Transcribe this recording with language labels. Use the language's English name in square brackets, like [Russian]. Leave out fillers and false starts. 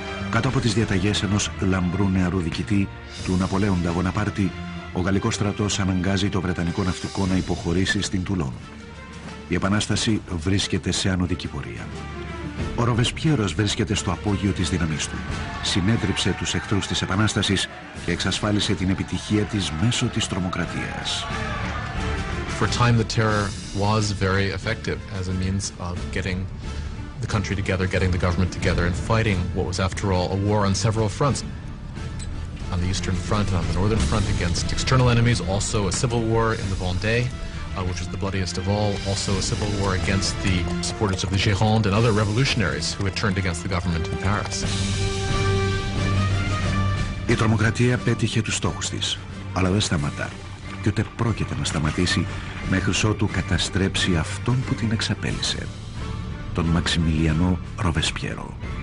[Greek] Κάτω από τις διαταγές ενός λαμπρού νεαρού διοικητή, του Ναπολέοντα Βοναπάρτη, ο γαλλικός στρατός αναγκάζει το βρετανικό ναυτικό να υποχωρήσει στην Τουλόν. Η επανάσταση βρίσκεται σε ανωδική πορεία. Ο Ροβεσπιέρος βρίσκεται στο απόγειο της δύναμής του. Συνέτριψε τους εχθρούς της επανάστασης και εξασφάλισε την επιτυχία της μέσω της τρομοκρατίας. [English] For time, the terror was very effective as a means of getting the country together, getting the government together, and fighting what was, after all, a war on several fronts. On the eastern front and on the northern front against external enemies, also a civil war in the Vendée, which was the bloodiest of all, also a civil war against the supporters of the Gironde and other revolutionaries who had turned against the government in Paris. [Greek] Η τρομοκρατία πέτυχε τους στόχους της, αλλά δεν σταματά και ούτε πρόκειται να σταματήσει μέχρι ότου καταστρέψει αυτόν που την εξαπέλυσε, τον Μαξιμιλιανό Ροβεσπιέρο.